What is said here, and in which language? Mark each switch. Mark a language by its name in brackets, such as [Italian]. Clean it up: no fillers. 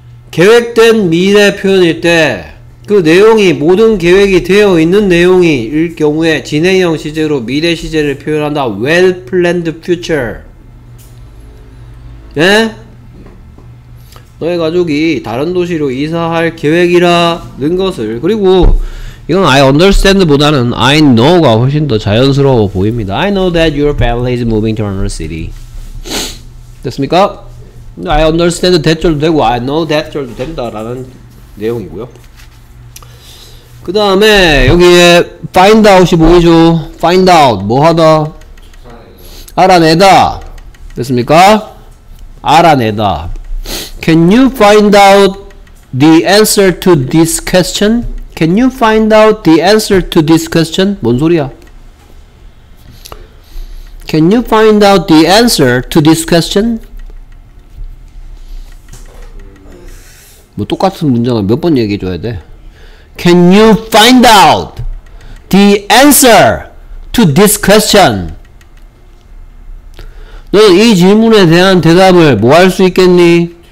[Korean] 계획된 미래 표현일 때 그 내용이 모든 계획이 되어 있는 내용이 일 경우에 진행형 시제로 미래 시제를 표현한다. [English] Well planned future. [Korean] 예? 너의 가족이 다른 도시로 이사할 계획이라는 것을. 그리고 이건 I understand 보다는 I know가 훨씬 더 자연스러워 보입니다. [English] I know that your family is moving to another city. [Korean] 됐습니까? [English] I understand that [Korean] 절도 되고 [English] I know that [Korean] 절도 된다라는 내용이고요. 그 다음에 여기에 find out이 보이죠? find out 뭐하다? 알아내다 됐습니까? 알아내다. [English] Can you find out the answer to this question? Can you find out the answer to this question? [Korean] 뭔 소리야? [English] Can you find out the answer to this question? [Korean] 뭐 똑같은 문장을 몇 번 얘기해줘야 돼? [English] Can you find out the answer to this question? [Korean] 너는 이 질문에 대한 대답을 뭐 할 수 있겠니?